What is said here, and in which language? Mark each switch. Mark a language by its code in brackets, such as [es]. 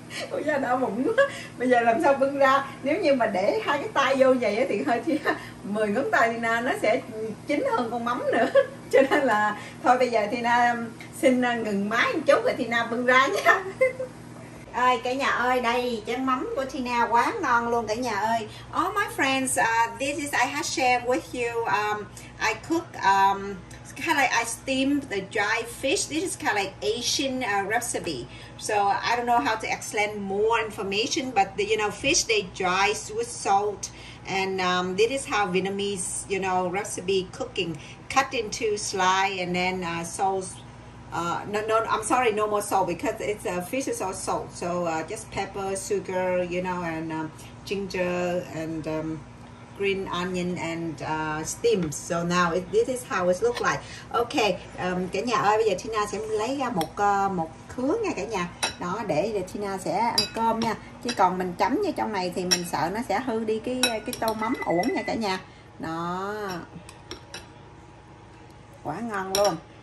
[vi] Bây giờ đau bụng quá. Bây giờ làm sao bưng ra? Nếu như mà để hai cái tay vô vậy thì hơi Tina, 10 ngón tay Tina nó sẽ chín hơn con mắm nữa. Cho nên là thôi bây giờ Tina xin ngừng máy một chút rồi Tina bưng ra nha. Ơi cả nhà ơi, đây chén mắm của Tina quá ngon luôn cả nhà ơi. [en] All my friends, this is I have shared with you. I cook kind of like I steam the dry fish. This is kind of like Asian recipe. So I don't know how to explain more information, but the, you know, fish they dry with salt, and this is how Vietnamese, you know, recipe cooking, cut into slice and then sauce. No, I'm sorry, no more salt because it's fish is all salt. So just pepper, sugar, you know, and ginger and green onion and steam. So now this is how it looks like. [vi] Okay, cả nhà ơi, bây giờ Tina sẽ lấy ra một một khứa nha cả nhà. Đó, để Tina sẽ ăn cơm nha. Chứ còn mình chấm như trong này thì mình sợ nó sẽ hư đi cái tô mắm uổng nha cả nhà. Đó, quá ngon luôn.